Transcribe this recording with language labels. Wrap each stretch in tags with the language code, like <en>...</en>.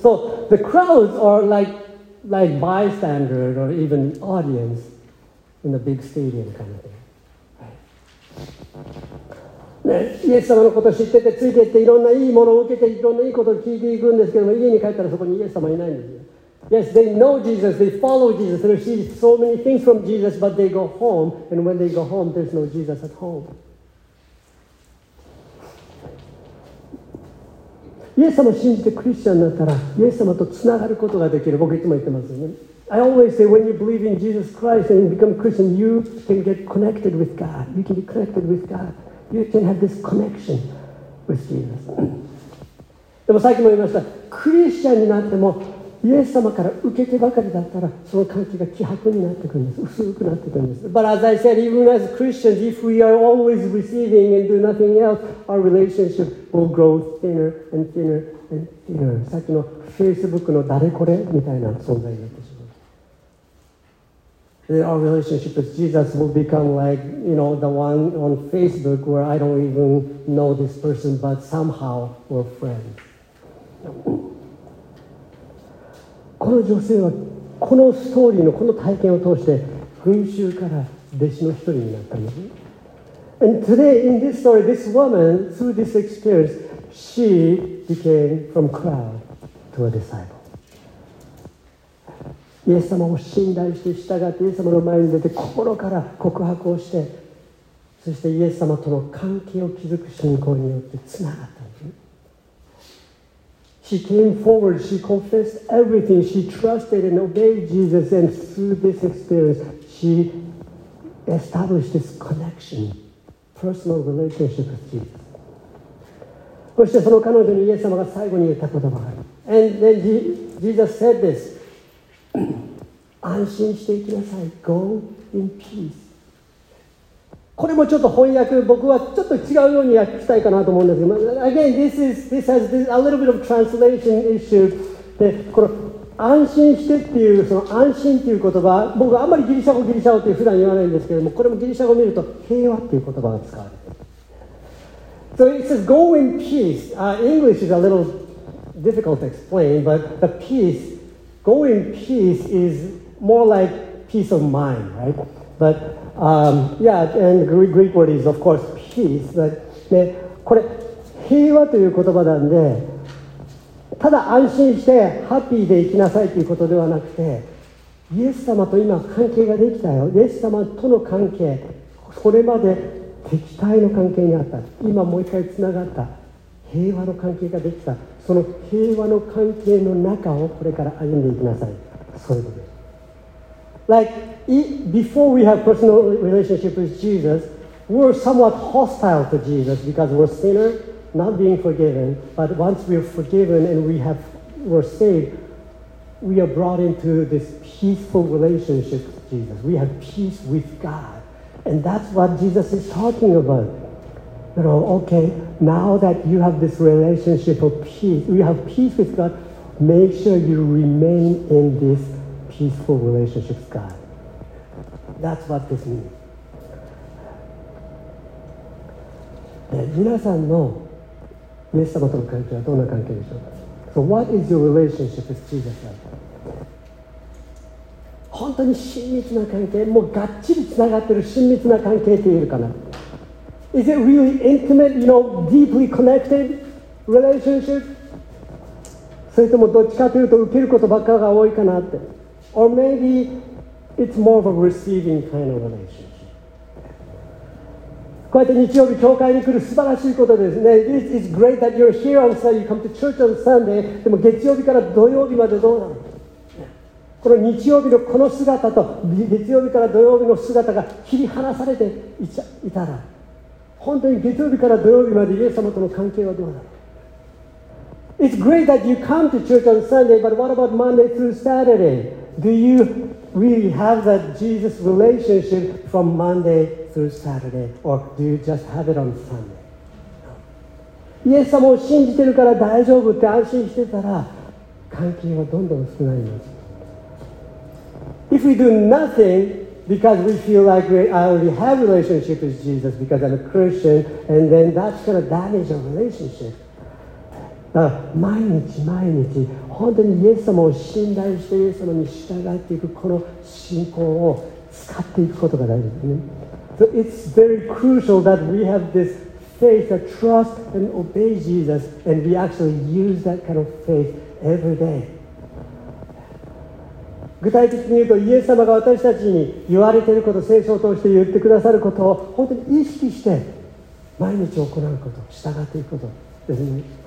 <en>So the crowds are like bystander or even audience in a big stadium kind of thing.</en> <ja>ね、イエス様のことを知っててついてっていろんないいものを受けていろんないいことを聞いていくんですけども、家に帰ったらそこにイエス様いないんですよ。</ja> <en>Yes, they know Jesus, they follow Jesus, they receive so many things from Jesus, but they go home, and when they go home, there's no Jesus at home.</en> <ja>イエス様を信じてクリスチャンになったら、イエス様とつながることができる。僕いつも言ってますよね。</ja> <en>I always say, when you believe in Jesus Christ and you become Christian, you can get connected with God. You can be connected with God. You can have this connection with Jesus.</en> <ja>でもさっきも言いました、クリスチャンになっても、イエス様から受けてばかりだったら、その関係が希薄になってくるんです。薄くなってくるんです。</ja> <en>But as I said, even as Christians, if we are always receiving and do nothing else, our relationship will grow thinner and thinner and thinner.</en> <ja>さっきの Facebook の誰これみたいな存在になってしまう。</ja> <en>Our relationship with Jesus will become like, you know, the one on Facebook where I don't even know this person, but somehow we're friends.</en> <ja>この女性はこのストーリーのこの体験を通して群衆から弟子の一人になったんです。</ja> <en>And today in this story, this woman, through this experience, she became from crowd to a disciple.</en> <ja>イエス様を信頼して従ってイエス様の前に出て心から告白をして、そしてイエス様との関係を築く信仰によってつながった。</ja> <en>She came forward, she confessed everything, she trusted and obeyed Jesus, and through this experience, she established this connection, personal relationship with Jesus.</en> <ja>そしてその彼女にイエス様が最後に言った言葉がある。</ja> <en>And then Jesus said this,</en> <ja>安心していきなさい、</ja> <en>go in peace.</en> <ja>これもちょっと翻訳、僕はちょっと違うように訳したいかなと思うんですけど、</ja> <en>Again, this has this, a little bit of translation issue.</en> <ja>で、この安心してっていう、その安心っていう言葉、僕はあんまりギリシャ語って普段言わないんですけども、これもギリシャ語を見ると平和っていう言葉が使われている。</ja> <en>So it says, go in peace.、English is a little difficult to explain, but the peace, go in peace is more like peace of mind, right? But, yeah, and the Greek word is, of course, peace, but</en> <ja>で、これ平和という言葉なんで、ただ安心してハッピーで生きなさいということではなくて、イエス様と今関係ができたよ、イエス様との関係、これまで敵対の関係にあった、今もう一回つながった、平和の関係ができた、その平和の関係の中をこれから歩んでいきなさい、そういうことです。</ja> <en>Like before we have personal relationship with Jesus, we're somewhat hostile to Jesus because we're sinner, not being forgiven. But once we're forgiven and we're saved, we are brought into this peaceful relationship with Jesus. We have peace with God, and that's what Jesus is talking about. You know, okay, now that you have this relationship of peace, we have peace with God, make sure you remain in this peaceful relationship with God. That's what this means.</en> <ja>で、皆さんのイエス様との関係はどんな関係でしょうか。</ja> <en>So what is your relationship with Jesus?</en> <ja>本当に親密な関係、もうがっちりつながってる親密な関係って言えるかな。</ja> <en>Is it really intimate, you know, deeply connected relationship?</en> <ja>それともどっちかというと受けることばっかりが多いかなって。</ja> <en>Or maybe it's more of a receiving kind of relationship.</en> <ja>こうやって日曜日教会に来る素晴らしいことですね。</ja> <en>This is great that you're here on Sunday, you come to church on Sunday.</en> <ja>でも月曜日から土曜日までどうなの。この日曜日のこの姿と月曜日から土曜日の姿が切り離されていたら、本当に月曜日から土曜日までイエス様との関係はどうなの。</ja> <en>It's great that you come to church on Sunday, but what about Monday through Saturday? Do you really have that Jesus relationship from Monday through Saturday? Or do you just have it on Sunday?</en> <ja>イエス様を信じてるから大丈夫って安心してたら、関係はどんどん少ないんです。</ja> <en>If we do nothingBecause we feel like I already have a relationship with Jesus because I'm a Christian, and then that's going to damage our relationship.</en> <ja>だから毎日毎日本当にイエス様を信頼してイエス様に従っていく、この信仰を使っていくことが大事ですね。</ja> <en>So it's very crucial that we have this faith that trust and obey Jesus, and we actually use that kind of faith every day.</en> <ja>具体的に言うと、イエス様が私たちに言われていること、聖書を通して言ってくださることを本当に意識して毎日行うこと、従っていくことですね。</ja>